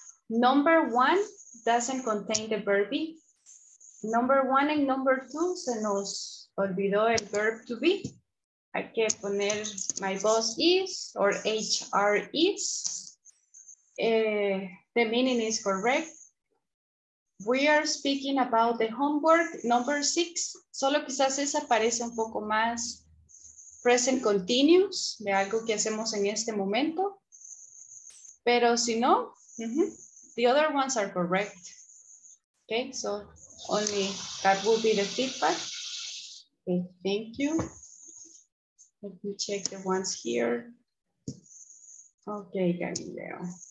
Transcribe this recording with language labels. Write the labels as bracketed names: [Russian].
[English] Number one doesn't contain the verb be. Number one and number two, [Spanish] se nos olvidó el [English] verb to be. [Spanish] Hay que poner [English] my boss is or HR is. The meaning is correct. We are speaking about the homework, number six. [Spanish] Solo quizás esa parece un poco más present continuous, de algo que hacemos en este momento. Pero si no, [English] the other ones are correct. Okay, so only that will be the feedback. Okay, thank you. Let me check the ones here. Okay, Galileo.